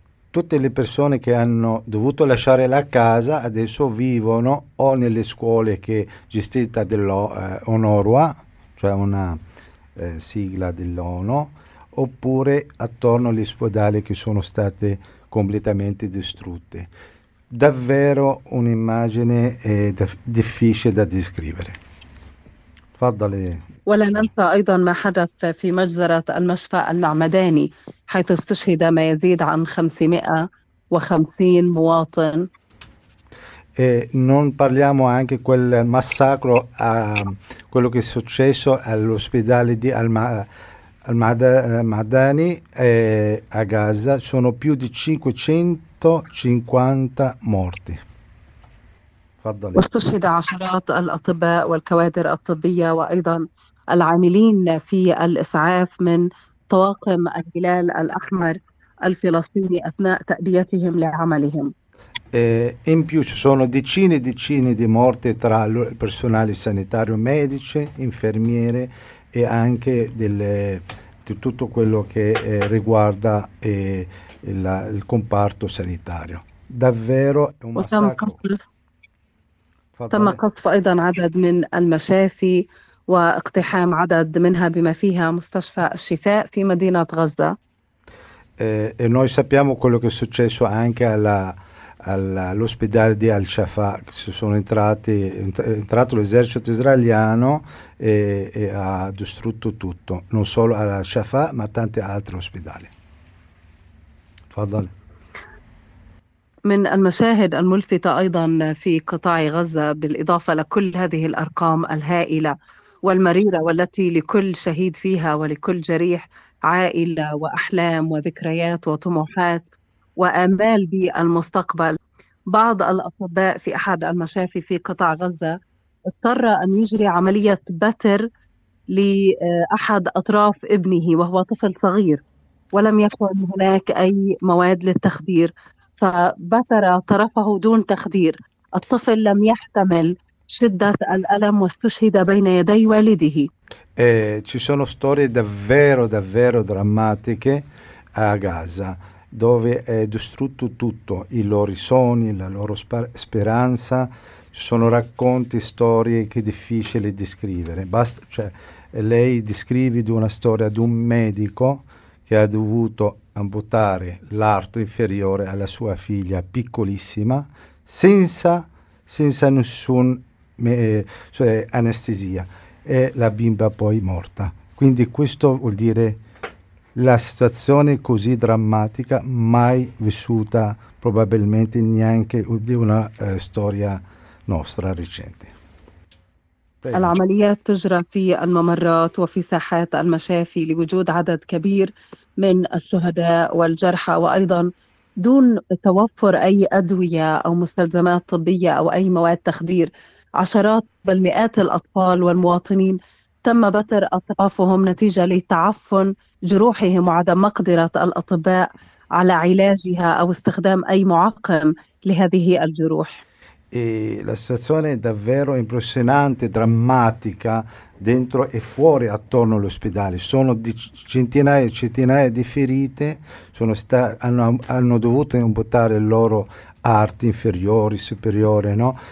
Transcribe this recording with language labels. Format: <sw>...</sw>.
<it>Tutte le persone che hanno dovuto lasciare la casa adesso vivono o nelle scuole che gestita dell'ONORUA, cioè una sigla dell'ONU, oppure attorno agli ospedali che sono state completamente distrutte. Davvero un'immagine difficile da descrivere.</it> <ar>Faddale. ولا ننسى أيضا ما حدث في مجزرة المشفى المعمداني حيث استشهد ما يزيد عن 550 مواطن.</ar> <it>Non parliamo anche quel massacro a quello che è successo all'ospedale di Al-Madani a Gaza. Sono più di 550 morti.</it> <ar>تفضلي. واستشهد عشرات الأطباء والكوادر الطبية وأيضا العاملين في الإسعاف من طواقم الهلال الأحمر الفلسطيني أثناء تأديتهم لعملهم.</ar> <it>In più ci sono decine e decine di morti tra il personale sanitario, medici, infermiere e anche di tutto quello che riguarda il comparto sanitario. Davvero è un massacro.</it> <ar>تم قصف أيضا عدد من المشافي واقتحام عدد منها بما فيها مستشفى الشفاء في مدينة غزة.</ar> <it>E noi sappiamo quello che è successo anche all'ospedale di Al-Shafa, che sono entrato l'esercito israeliano e ha distrutto tutto, non solo Al-Shafa ma tanti altri ospedali.</it> <ar>تفضل. من المشاهد الملفتة أيضا في قطاع غزة، بالإضافة لكل هذه الأرقام الهائلة والمريرة والتي لكل شهيد فيها ولكل جريح عائلة وأحلام وذكريات وطموحات وآمال بالمستقبل. بعض الأطباء في أحد المشافي في قطاع غزة اضطر أن يجري عملية بتر لأحد أطراف ابنه وهو طفل صغير، ولم يكن هناك أي مواد للتخدير، فبتر طرفه دون تخدير. الطفل لم يحتمل شدة الألم واستشهد بين يدي والده.</ar> <it>Ci sono storie davvero, davvero drammatiche a Gaza, dove è distrutto tutto, i loro sogni, la loro speranza. Ci sono racconti, storie che è difficile descrivere. Basta, cioè, lei descrive di una storia di un medico che ha dovuto amputare l'arto inferiore alla sua figlia piccolissima senza nessun cioè anestesia. E la bimba poi morta. Quindi questo vuol dire la situazione così drammatica mai vissuta probabilmente neanche di una storia nostra recente.</it> <ar>العمليات تجرى في الممرات وفي ساحات المشافي لوجود عدد كبير من الشهداء والجرحى، وأيضا دون توفر أي أدوية أو مستلزمات طبية أو أي مواد تخدير. عشرات بل مئات الأطفال والمواطنين تم بتر أطرافهم نتيجة لتعفن جروحهم وعدم مقدرة الأطباء على علاجها أو استخدام أي معقم لهذه الجروح.</ar> <it>E la situazione è davvero impressionante, drammatica, dentro e fuori, attorno all'ospedale. Sono centinaia e centinaia di ferite, hanno dovuto amputare le loro arti inferiori, superiori, no?</it>